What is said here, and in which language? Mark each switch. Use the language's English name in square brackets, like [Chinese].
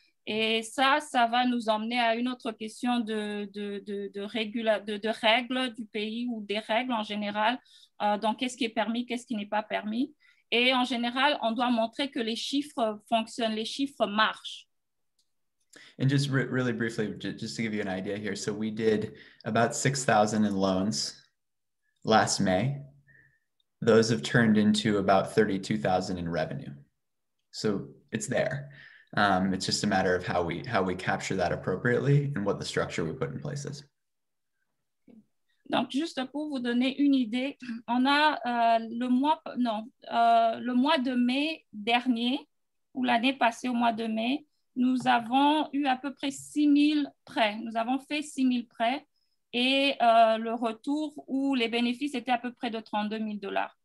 [French] Et ça va nous emmener à une autre question de règles du pays ou des règles en général. Donc, qu'est-ce qui est permis, qu'est-ce qui n'est pas permis? Et en général, on doit montrer que les chiffres fonctionnent, les chiffres marchent. [English] And just really briefly, just to give you an idea here. So we did about 6,000 in loans last May. Those have turned into about 32,000 in revenue. So it's there. It's just a matter of how we capture that appropriately and what the structure we put in place is. [French] Donc, juste pour vous donner une idée, on a le mois de mai dernier, ou l'année passée au mois de mai, nous avons eu à peu près 6,000 prêts. Nous avons fait 6,000 prêts. Et le retour ou les bénéfices étaient à peu près de $32,000.